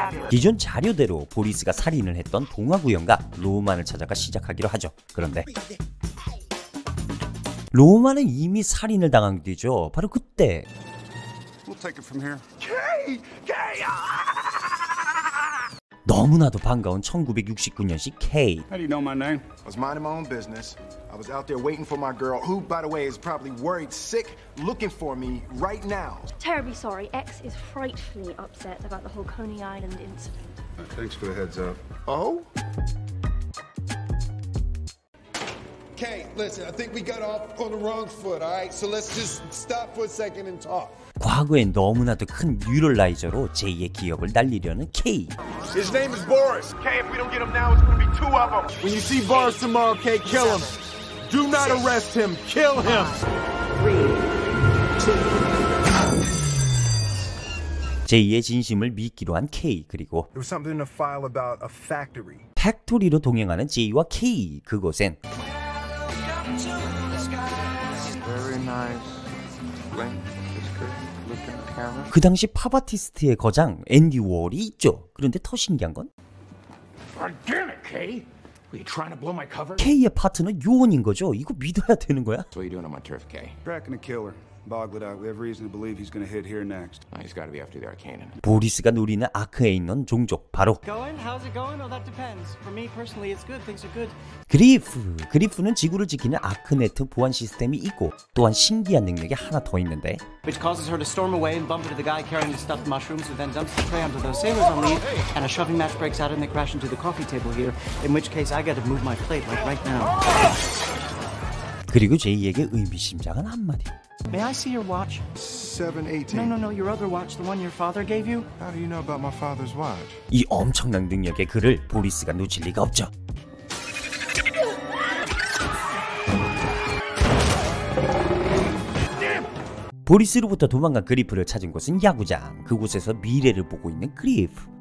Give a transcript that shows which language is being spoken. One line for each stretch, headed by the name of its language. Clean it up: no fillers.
Korean: 기존 자료대로 보리스가 살인을 했던 동화구연가 로만을 찾아가 시작하기로 하죠. 그런데 로만은 이미 살인을 당한 뒤죠. 바로 그때 너무나도 반가운 1969년식 K.
English: How do you know my name? I was minding my own business. I was out there waiting for my girl, who, by the way, is probably worried sick, looking for me right now. Terribly sorry. X is frightfully upset about the whole Coney Island incident. Thanks for the heads up. Oh? K, listen, I think we got off on the wrong foot, all right? So let's just stop for a second and talk.
Korean: 과거엔 너무나도 큰 뉴럴라이저로 제이의 기억을 날리려는 K.
English: His name is Boris. K, if we don't get him now, it's gonna be two of them. When you see Boris tomorrow, K, kill him. Do not arrest him. Kill him. Three, two.
Korean: 제이의 진심을 믿기로 한 K 그리고
English: There was something in the file about a factory.
Korean: 팩토리로 동행하는 제이와 K 그곳엔
English: Very nice. When?
Korean: 그 당시 팝아티스트의 거장 앤디 워홀이 있죠. 그런데 더 신기한 건 K의 파트너 요원인 거죠. 이거 믿어야 되는 거야?
English: What are you doing on my turf, K? Tracking a killer. Boggled out. We have reason to believe he's gonna hit here next. He's gotta be after the Arcanum.
Korean: 보리스가 누리는 아크에이넌 종족 바로
English: Going? How's it going? Oh, that depends. For me personally, it's good. Things are good.
Korean: 그리프. 그리프는 지구를 지키는 아크네트 보안 시스템이 있고 또한 신기한 능력이 하나 더 있는데
English: Which causes her to storm away and bump into the guy carrying the stuffed mushrooms who then dumps the tray onto those sailors on leave and a shoving match breaks out and they crash into the coffee table here in which case I gotta move my plate like right now.
Korean: 그리고 제이에게 의미심장한 한마디
English: May I see your watch? 718. No, your other watch, the one your father gave you. How do you know about my father's watch?
Korean: 이 엄청난 능력의 그를 보리스가 놓칠 리가 없죠. 보리스로부터 도망간 그리프를 찾은 곳은 야구장. 그곳에서 미래를 보고 있는 그리프.